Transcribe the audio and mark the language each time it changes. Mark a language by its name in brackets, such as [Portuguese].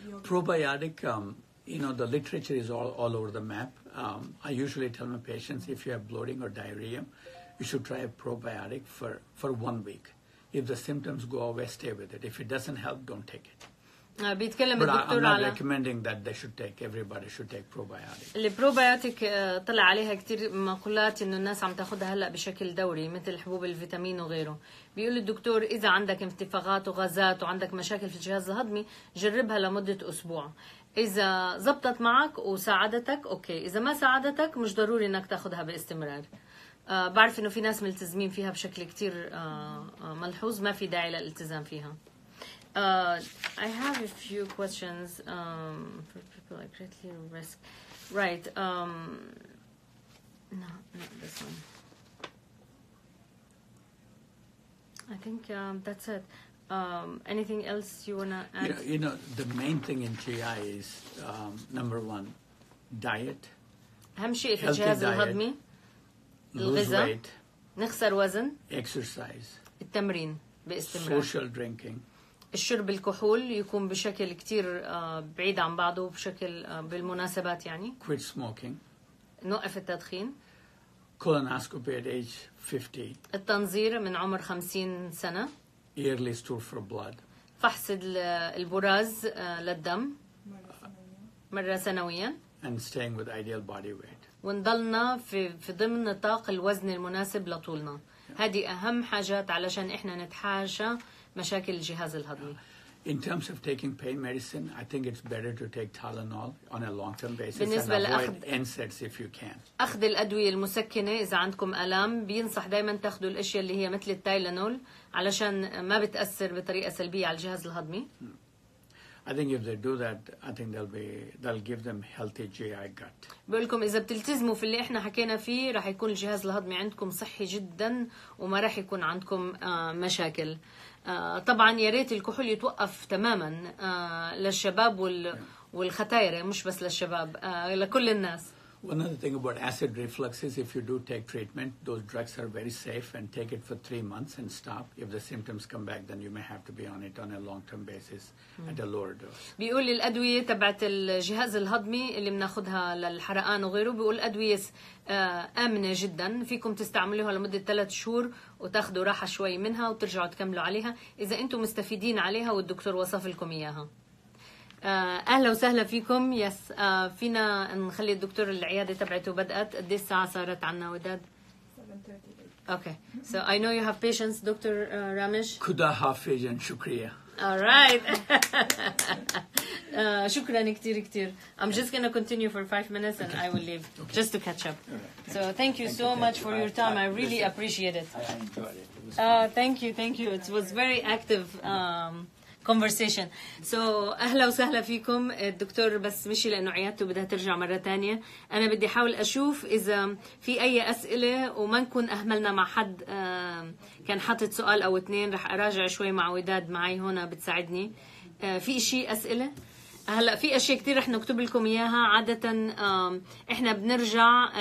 [English] Probiotic, the literature is all over the map. I usually tell my patients, if you have bloating or diarrhea, you should try a probiotic for 1 week. If the symptoms go away, stay with it. If it doesn't help, don't take it. [Arabic] بيتكلم الدكتور على. [English] But I'm not recommending that they should take. Everybody should take probiotic. [Arabic] اللي probiotic طلع عليها كتير مقولات إنه الناس عم تأخذها هلا بشكل دوري مثل حبوب الفيتامين وغيره. بيقول الدكتور إذا عندك انتفاخات وغازات وعندك مشاكل في الجهاز الهضمي جربها لمدة أسبوع. إذا زبطت معك وساعدتك أوكي، إذا ما ساعدتك مش ضروري إنك تأخذها باستمرار. بعرف إنه في ناس ملتزمين فيها بشكل كتير ملحوظ، ما في داعي للالتزام فيها. [English] I have a few questions for people at greatly risk. Right. Not this one. I think that's it. Anything else you want to add? Yeah, you know, the main thing in GI is number one, diet. [Arabic] همشي في الجهاز الهضمي. [English] Lose weight. [Arabic] نخسر وزن. [English] Exercise. [Arabic] التمرين باستمرار. [English] Social drinking. [Arabic] الشرب الكحول يكون بشكل كتير بعيد عن بعضه بشكل بالمناسبات يعني. [English] Quit smoking. [Arabic] نوقف التدخين. [English] Colonoscopy at age 50. [Arabic] التنظير من عمر 50 سنة. [English] Yearly stool for blood. [Arabic] فحص البراز للدم. مرة سنويا. [English] And staying with ideal body weight. [Arabic] ونضلنا في ضمن نطاق الوزن المناسب لطولنا. Yeah. هذه أهم حاجات علشان إحنا نتحاشى مشاكل الجهاز الهضمي. [English] In terms of taking pain medicine, I think it's better to take Tylenol on a long-term basis. [Arabic] بالنسبة لأخذ [English] NSAIDs if you can. [Arabic] أخذ الأدوية المسكنة إذا عندكم ألام بينصح دائما تأخذوا الأشياء اللي هي مثل التايلانول علشان ما بتأثر بطريقة سلبية على الجهاز الهضمي. [English] I think if they do that, I think they'll give them healthy GI gut. [Arabic] بقولكم إذا بتلتزموا في اللي إحنا حكينا فيه راح يكون الجهاز الهضمي عندكم صحي جدا وما راح يكون عندكم مشاكل. طبعا يا ريت الكحول يتوقف تماما للشباب والختائر، مش بس للشباب، لكل الناس. [English] One other thing about acid reflux is if you do take treatment, those drugs are very safe and take it for 3 months and stop. If the symptoms come back, then you may have to be on it on a long-term basis at a lower dose. [Arabic] بيقول الأدوية تبعت الجهاز الهضمي اللي بناخدها للحرقان وغيره، بيقول أدوية آمنة جدا، فيكم تستعملوها لمدة 3 شهور وتاخدوا راحة شوي منها وترجعوا تكملوا عليها إذا أنتم مستفيدين عليها والدكتور وصف لكم إياها. أهلا وسهلا فيكم. يس فينا نخلي الدكتور العيادة تبعته بدأت. قد الساعة صارت عنا وداد؟ 7:30. [English] Okay. So I know you have patience, Dr. Ramesh. [Arabic] كدا حافظ [English] and [Arabic] شكريا. [English] Alright. [Arabic] شكرا كتير. [English] I'm just going to continue for 5 minutes and okay. I will leave. Okay. Just to catch up. Right. Thank you so much for your time. I really appreciate it. I enjoyed it. It was fun. Thank you. It was very active. conversation. [Arabic] So, أهلا وسهلا فيكم الدكتور بس مشي لأنه عيادته بدها ترجع مرة تانية. أنا بدي أحاول أشوف إذا في أي أسئلة وما نكون أهملنا مع حد كان حاطت سؤال أو اثنين. رح أراجع شوي مع وداد معي هنا بتساعدني. في شيء أسئلة؟ هلا في اشياء كتير رح نكتب لكم اياها عاده احنا بنرجع.